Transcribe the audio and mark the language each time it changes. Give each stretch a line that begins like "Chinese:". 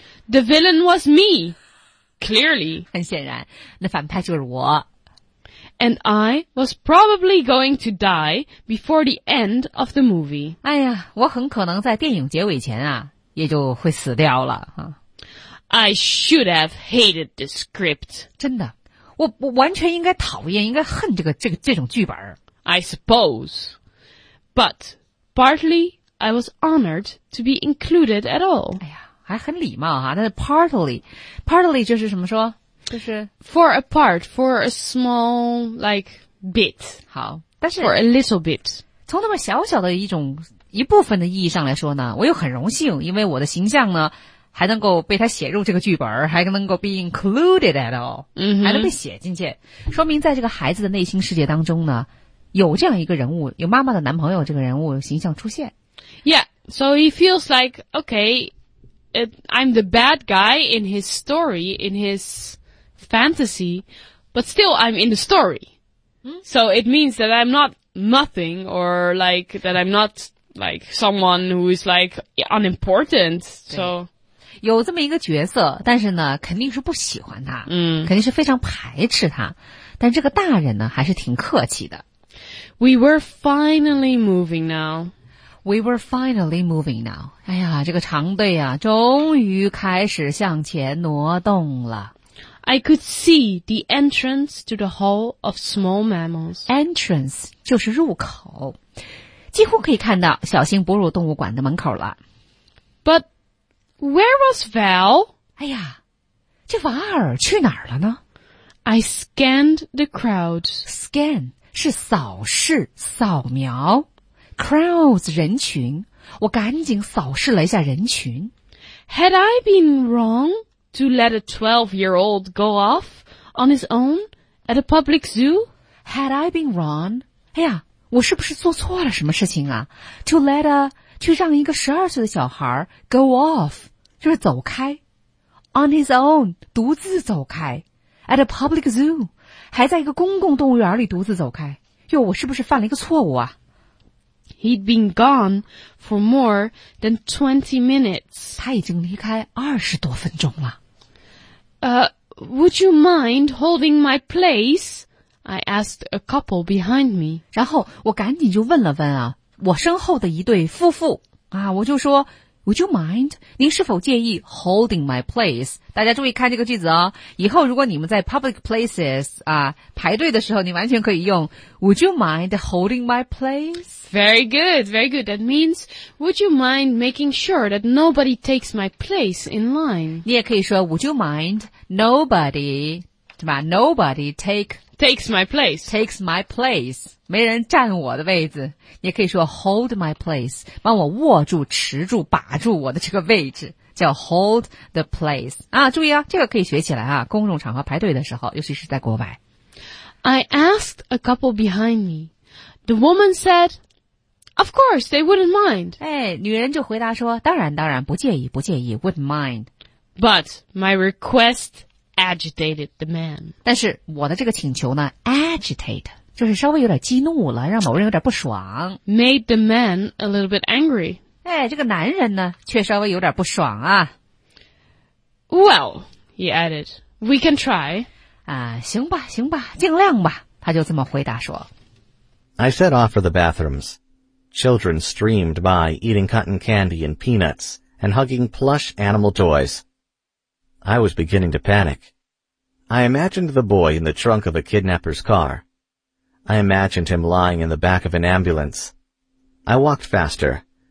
English: The villain was me, clearly.
Chinese: 很显然，那反派就是我。
English: And I was probably going to die before the end of the movie.
Chinese: 哎呀，我很可能在电影结尾前啊，也就会死掉了啊。
English: I should have hated the script.
Chinese: 真的，我完全应该讨厌，应该恨这种剧本。
English: I suppose. But partly I was honored to be included at all.
Chinese: 哎呀，还很礼貌哈，但是 partly 就是什么说？就是
English: for a part, for a small like bit.
Chinese: 好，但是
English: for a little bit.
Chinese: 从那么小小的一部分的意义上来说呢，我又很荣幸，因为我的形象呢还能够被他写入这个剧本，还能够
English: be included at all，
Chinese: 还能被写进去，说明在这个孩子的内心世界当中呢，有这样一个人物，有妈妈的男朋友这个人物形象出现。
English: Yeah, so he feels like okay, I'm the bad guy in his story, in his. Fantasy, but still I'm in the story. So it means that I'm not nothing or like that I'm not like someone who is like unimportant. So,
Chinese: 有这么一个角色，但是呢，肯定是不喜欢他，肯定是非常排斥他。但这个大人呢，还是挺客气的。
English: We were finally moving now. We were finally moving now.
Chinese: 哎呀，这个长队啊，终于开始向前挪动了。
English: I could see the entrance to the Hall of Small Mammals.
Chinese: Entrance 就是入口，几乎可以看到小型哺乳动物馆的门口了。
English: But where was Val?
Chinese: 哎呀，这瓦尔去哪儿了呢
English: ？I scanned the crowd.
Chinese: Scan 是扫视、扫描 ，crowds 人群。我赶紧扫视了一下人群。
English: Had I been wrong? To let a 12-year-old go off on his own at a public zoo? Had I been wrong?
Chinese: 哎呀，我是不是做错了什么事情啊 去让一个12岁的小孩
English: go off,
Chinese: 就是走开
English: on his own,
Chinese: 独自走开
English: at a public zoo,
Chinese: 还在一个公共动物园里独自走开。哟，我是不是犯了一个错误啊
English: He'd been gone for more than 20 minutes.
Chinese: 他已经离开20多分钟了。
English: Would you mind holding my place? I asked a couple behind me.
Chinese: 然后我赶紧就问了问啊，我身后的一对夫妇啊，我就说 ，
English: Would you mind?
Chinese: 您是否介意
English: holding my place?
Chinese: 大家注意看这个句子哦，以后如果你们在
English: public places
Chinese: 啊排队的时候，你完全可以用
English: Would you mind holding my place? Very good, very good. That means Would you mind making sure that nobody takes my place in line?
Chinese: 你也可以说
English: Would you mind nobody
Chinese: 对吧
English: ？Nobody takes my place. Takes my place.
Chinese: 没人占我的位置。你也可以说
English: hold my place.
Chinese: 帮我握住、持住、把住我的这个位置。
English: 叫 hold the place.
Chinese: 啊，注意啊，这个可以学起来啊。公众场合排队的时候，尤其是在国外。
English: I asked a couple behind me. The woman said, of course, they wouldn't mind.
Chinese: 哎，女人就回答说，当然，当然，不介意，不介意 ,
English: wouldn't mind. But my request... agitated the man.
Chinese: 但是我的这个请求呢 ,agitate, 就是稍微有点激怒了让某人有点不爽。
English: made the man a little bit angry.
Chinese: 哎，这个男人呢，却稍微有点不爽啊。
English: Well, he added, we can try.
Chinese: 啊，行吧，行吧，尽量吧，他就这么回答说。
English: I set off for the bathrooms. Children streamed by, eating cotton candy and peanuts, and hugging plush animal toys. I was beginning to panic. I imagined the boy in the trunk of a kidnapper's car. I imagined him lying in the back of an ambulance. I walked faster.